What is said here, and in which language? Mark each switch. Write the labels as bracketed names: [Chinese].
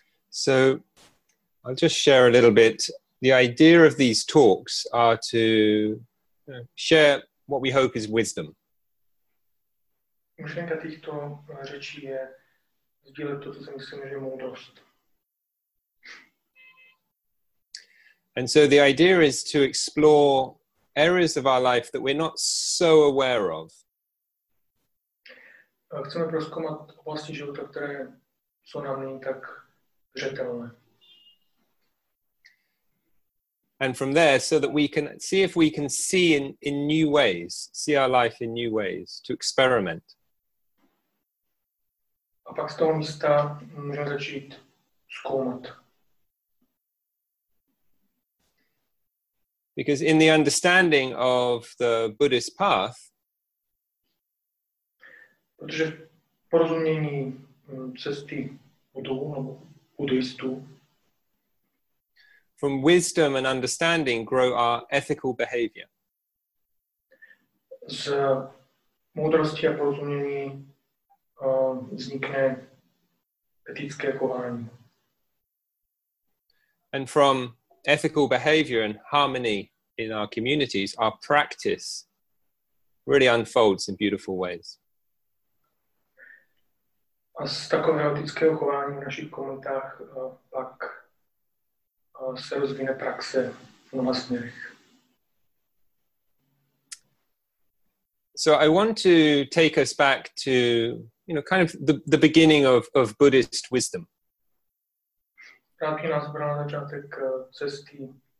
[English] So I'll just share a little bit. The idea of these talks are to share what we hope is wisdom. [Czech] Myšlenka těchto řečí je sdílet to, co si myslíme, že je moudrost. [English] And so the idea is to explore areas of our life that we're not so aware of. [Czech] Chceme prozkoumat oblasti života, které jsou nám není tak zřetelné. [English] And from there, so that we can see if we can see in new ways, see our life in new ways, to experiment. [Czech] A pak z toho místa můžeme začít zkoumat. [English] Because in the understanding of the Buddhist path, [Czech] protože v porozumění cesty budou nebo buddhistů, [English] from wisdom and understanding grow our ethical behavior. [Czech] Z moudrosti a porozumění vznikne etické chování. [English] And from ethical behavior and harmony in our communities, our practice really unfolds in beautiful ways. [Czech] A z takového etického chování v našich komunitách pak se rozvíjí praxe v mnoha směrech. [English] So I want to take us back to, you know, kind of the beginning of Buddhist wisdom. [Czech] Rád bych nás bral na začátek cesty